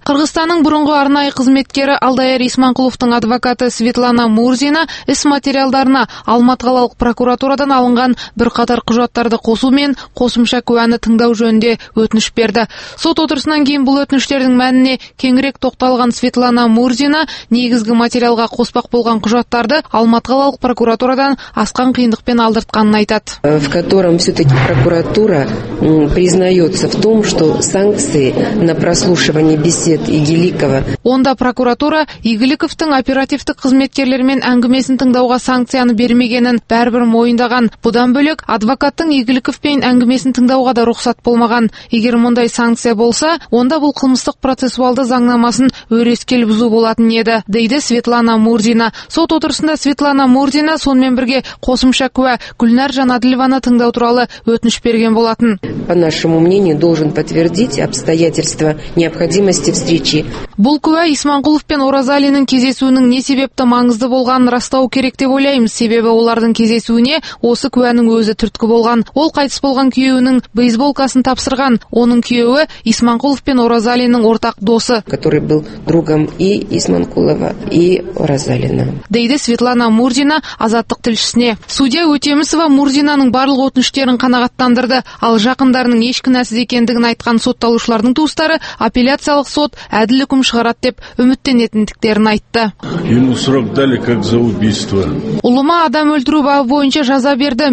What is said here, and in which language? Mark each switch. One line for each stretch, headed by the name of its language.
Kazakh: Қырғызстанның бұрынғы арнайы қызметкері Алдаяр Исманқұловтың адвокаты Светлана Мурзина іс материалдарына Алматы қалалық прокуратурадан алынған бірқатар құжаттарды қосумен қосымша куәні тыңдау жөнінде өтініш берді. Сот отырысынан кейін бұл өтініштердің мәніне кеңірек тоқталған Светлана Мурзина негізгі материалға қоспақ болған құжаттарды Алматы қалалық прокуратурадан асқан қиындықпен алдыртқанын айтады.
Russian: В котором все-таки прокуратура признается в том, что санкции на прослушивание бесед Игіліковтың.
Kazakh: Онда прокуратура Игіліковтың оперативтік қызметкерлерімен әңгімесін тыңдауға санкцияны бермегенін бәрібір мойындаған. Бұдан бөлек адвокаттың Игіліковпен әңгімесін тыңдауға да рұқсат болмаған. Егер мұндай санкция болса, онда бұл қылмыстық процессуалды заңнамасын өрескел бұзу болатын еді, дейді Светлана Мурзина. Сот отырысында Светлана Мурзина сонымен бірге қосымша куә Гүлнар Жанаділованы тыңдау туралы өтініш берген болатын.
Russian: По нашему мнению, должен подтвердить обстоятельства необходимости встречи.
Kazakh: Бұл куә Исманқұлов пен Оразалиннің кездесуінің не себепті маңызды болғанын растау керек деп ойлаймын. Себебі олардың кездесуіне осы куәнің өзі түрткі болған. Ол қайтыс болған күйеуінің бейсболкасын тапсырған. Оның күйеуі Исманқұлов пен Оразалиннің ортақ досы,
Russian: который был другом и Исманқұлова, и Оразалина.
Kazakh: Дейді Светлана Мурзина азаттық тілшісіне. Судья Өтемісова Мурзинаның барлық өтініштерін қанағаттандырды, ал жақындарының еш кінәсіз екендігін айтқан сотталушылардың туыстары апелляциялық сот әділ үкім шығарады деп үміттенетіндіктерін айтты. Ұлыма адам өлтіру бабы бойынша жаза берді.